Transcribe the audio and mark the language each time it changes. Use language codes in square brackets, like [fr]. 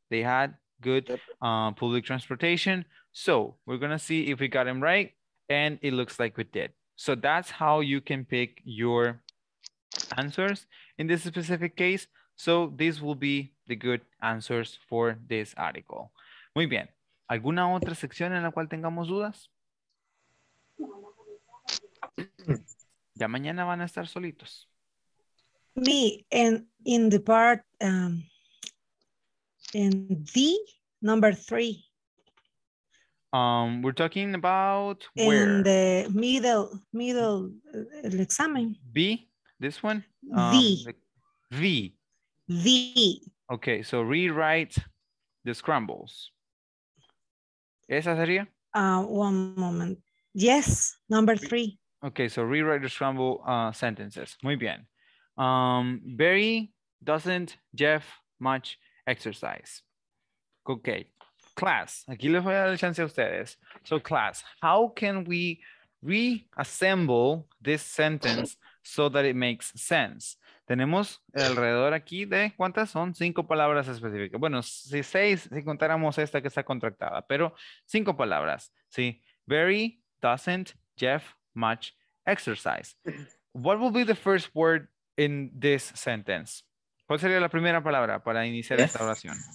[en] They had good public transportation. So we're going to see if we got them right. And it looks like we did. So that's how you can pick your answers in this specific case. So this will be the good answers for this article. [es] Muy bien. ¿Alguna otra sección en la cual tengamos dudas? Ya mañana van a estar solitos. [en] Me in the part in the number three. We're talking about where? In the middle examen. B, this one? V. V. Okay, so rewrite the scrambles. [es] ¿Esa sería? [en] One moment. Yes, number three. Okay, so rewrite the scramble sentences. [es] Muy bien. [en] Barry doesn't Jeff much exercise. Okay, class. [es] Aquí les voy a dar la chance a ustedes. [en] So class, how can we reassemble this sentence so that it makes sense? [es] Tenemos alrededor aquí de, ¿cuántas son? Cinco palabras específicas. Bueno, si seis, si contáramos esta que está contractada, pero cinco palabras, ¿sí? [en] Barry doesn't Jeff much exercise. What will be the first word in this sentence? [es] ¿Cuál sería la primera palabra para iniciar esta oración?